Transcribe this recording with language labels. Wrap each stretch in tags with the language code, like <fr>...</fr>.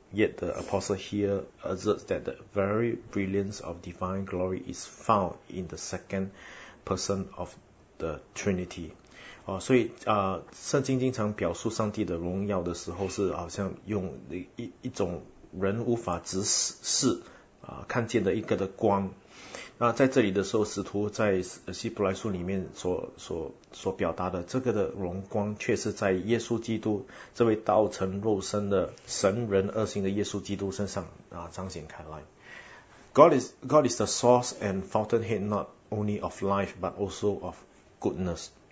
<en>Yet the apostle here asserts that the very brilliance of divine glory is found in the second person of the Trinity.</en> <zh>所以圣经经常表述上帝的荣耀的时候，是好像用一种人无法直视看见的一个的光。那在这里的时候，使徒在希伯来书里面所表达的这个的荣光，却是在耶稣基督这位道成肉身的神人二性的耶稣基督身上彰显开来。</zh> <en>God is the source and fountainhead not only of life but also of goodness。</en>